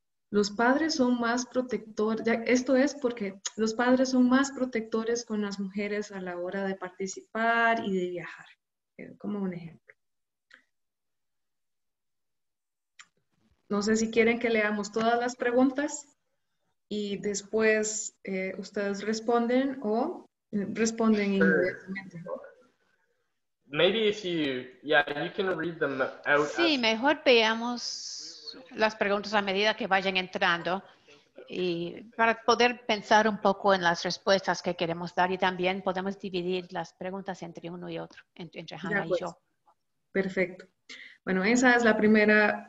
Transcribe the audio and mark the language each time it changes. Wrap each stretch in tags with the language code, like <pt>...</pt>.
<es>Los padres son más protectores, esto es porque los padres son más protectores con las mujeres a la hora de participar y de viajar, como un ejemplo. No sé si quieren que leamos todas las preguntas y después ustedes responden o responden inmediatamente.</es> <en>Maybe if you, yeah, you can read them out.</en> <es>Sí, mejor veamos las preguntas a medida que vayan entrando y para poder pensar un poco en las respuestas que queremos dar y también podemos dividir las preguntas entre uno y otro, entre Hannah y yo. Perfecto. Bueno, esa es la primera.</es>